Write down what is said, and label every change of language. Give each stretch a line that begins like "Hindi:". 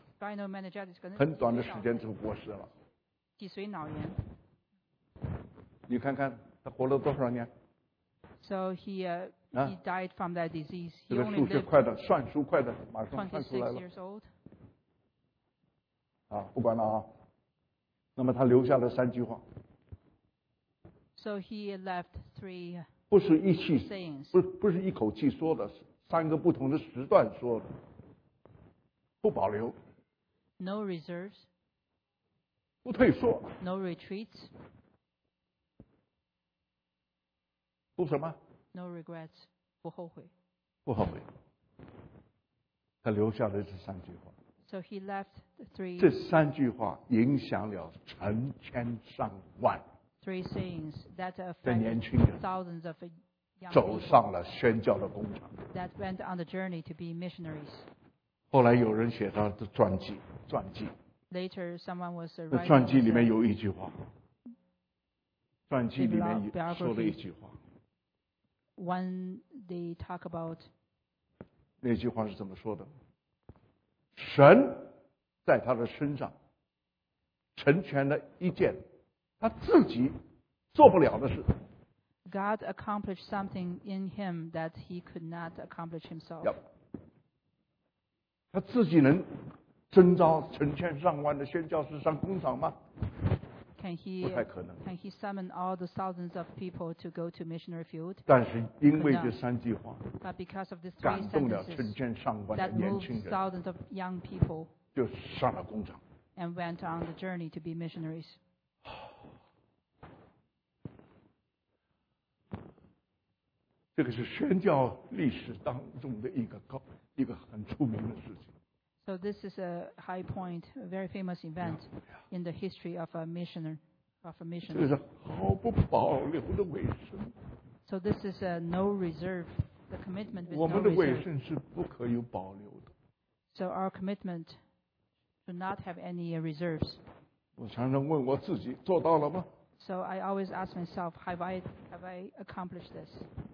English: Spinal meningitis
Chinese: 可能很短的时间就过世了。脊髓脑炎。你看看他活了多少年
English: ？So he、he died from that disease.
Chinese: 这个数学快的，算数快的，马上算出来了。
English: 26 years old.
Chinese: 啊，不管了啊。那么他留下了三句话。
English: So he left three.
Chinese: 不是一气， 不是一口气说的，三个不同的时段说的，不保留。
English: No reserves.
Chinese: 不退缩。
English: No retreats.
Chinese: 不什么？
English: No regrets.
Chinese: 不后悔。不后悔。他留下了这三句话。
English: So he left the three.
Chinese: 这三句话影响了成千上万。
English: Three sayings that affected thousands of young people.
Chinese: 走上了宣教的工程。
English: That went on the journey to be missionaries.
Chinese: 后来有人写他的传记，传记。
English: Later, someone was writing.
Chinese: 那传记里面有一句话。传记里面说了一句话。
English: When they talk about.
Chinese: 那句话是怎么说的？神在他的身上成全了一件他自己做不了的事。
English: God accomplished something in him that he could not accomplish himself.
Chinese: 他自己能征召成千上万的宣教士上工厂吗？
English: Can he,
Chinese: 不太可能。
English: Can he summon all the thousands of people to go to missionary field?
Chinese: 但是因为这三句话
English: But because of this three sentences,
Chinese: 感动了成千上万的年轻人
English: that moved thousands of young people,
Chinese: 就上了工厂
English: and went on the journey to be missionaries.
Chinese: 这个是宣教历史当中的一个很出名的事情。
English: So this is a high point, a very famous event in the history of a missioner.
Chinese: 这个是毫不保留的委身。
English: So this is a no reserve, the commitment with no reserve.
Chinese: 我们的委身是不可有保留的。
English: So our commitment should not have any reserves.
Chinese: 我常常问我自己，做到了吗？
English: So I always ask myself, have I accomplished this?